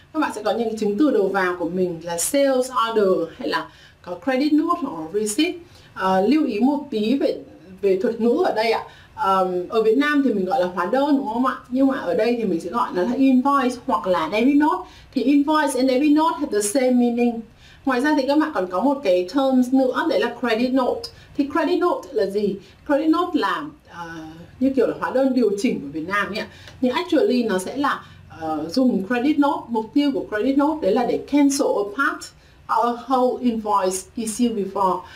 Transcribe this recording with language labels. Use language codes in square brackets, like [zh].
[vi] Các bạn sẽ có những chứng từ đầu vào của mình là sales order hay là có credit note hoặc receipt. Lưu ý một tí về thuật ngữ ở đây ạ. Ở Việt Nam thì mình gọi là hóa đơn đúng không ạ? Nhưng mà ở đây thì mình sẽ gọi nó là invoice hoặc là debit note. Thì [en] invoice and debit note have the same meaning. [vi] Ngoài ra thì các bạn còn có một cái terms nữa đấy là credit note. Thì credit note là gì? Credit note là như kiểu là hóa đơn điều chỉnh của Việt Nam ấy. Nhưng actually nó sẽ là dùng credit note, mục tiêu của credit note đấy là để [en] cancel a part or a whole invoice issued before.